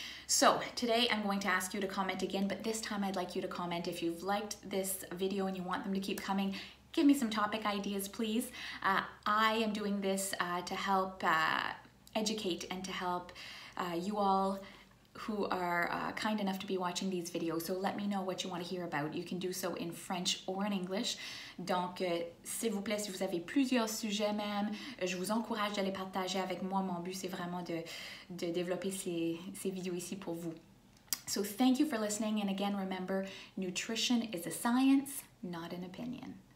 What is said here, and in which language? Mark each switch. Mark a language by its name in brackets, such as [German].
[English] So today I'm going to ask you to comment again, but this time I'd like you to comment if you've liked this video and you want them to keep coming. Give me some topic ideas, please. I am doing this to help educate and to help you all who are kind enough to be watching these videos. So let me know what you want to hear about. You can do so in French or in English. [French] Donc, s'il vous plaît, si vous avez plusieurs sujets même, je vous encourage de les partager avec moi. Mon but, c'est vraiment de développer ces vidéos ici pour vous. [English] So thank you for listening. And again, remember, nutrition is a science, not an opinion.